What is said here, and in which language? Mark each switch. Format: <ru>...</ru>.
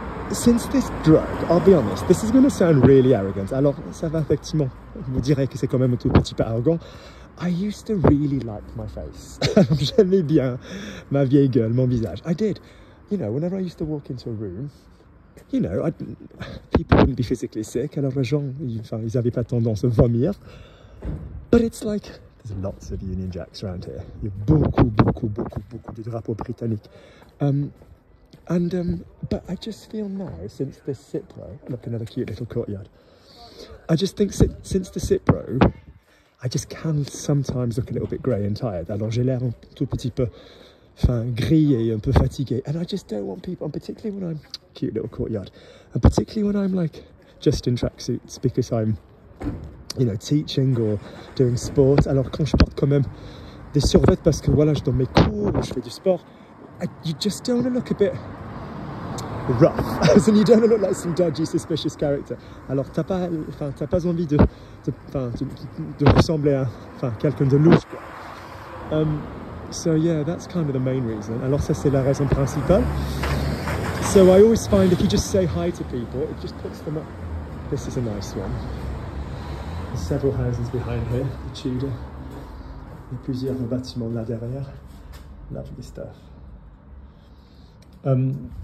<en>Since this drug, I'll be honest, this is going to sound really arrogant.</en> <fr>Alors, ça va effectivement. Je vous dirai que c'est quand même un tout petit peu arrogant.</fr> <en>I used to really like my face.</en> <fr>J'aimais bien ma vieille gueule, mon visage.</fr> <en>I did. You know, whenever I used to walk into a room, you know, people wouldn't be physically sick.</en> <fr>Alors les gens, ils avaient pas tendance à vomir.</fr> <en>But it's like, there's lots of Union Jacks around here.</en> <fr>Il y a beaucoup, beaucoup, beaucoup, beaucoup de drapeaux britanniques.</fr> <en>But I just feel now, since the Cipro, look, another cute little courtyard. I just think since the Cipro, I just can sometimes look a little bit grey and tired.</en> <fr>Alors j'ai l'air un tout petit peu, enfin, grillé, un peu fatigué.</fr> <en>And I just don't want people, and particularly when I'm, cute little courtyard, and particularly when I'm like just in tracksuits because I'm, you know, teaching or doing sport.</en> <fr>Alors quand je porte quand même des survêtements parce que voilà, je donne mes cours, je fais du sport.</fr> <en>You just don't want to look a bit rough, and you don't want to look like some dodgy, suspicious character.</en> <fr>Alors t'as pas envie de ressembler à enfin quelqu'un de louche, quoi.</fr> <en>So yeah, that's kind of the main reason.</en> <fr>Alors ça c'est la raison principale.</fr> <en>So I always find if you just say hi to people, it just puts them up. This is a nice one. There's several houses behind here, the Tudor.</en> <fr>Et plusieurs bâtiments là derrière.</fr> <en>Lovely stuff.</en> <fr>Um,</fr>